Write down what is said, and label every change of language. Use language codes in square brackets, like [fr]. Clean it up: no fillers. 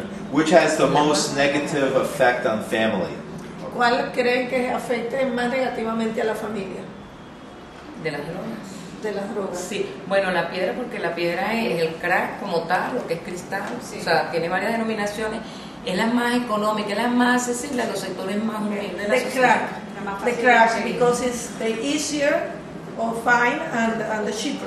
[en] Which has the most negative effect on family? [es] ¿Cuál creen que afecta más negativamente a la familia? De las drogas. De las drogas. Sí. Bueno, la piedra, porque la piedra es el crack como tal, lo que es cristal. Sí. O sea, tiene varias denominaciones. Es la más económica, es la más accesible a los sectores más humildes de la sociedad. [en] The crack, because it's the easier or fine and the cheaper.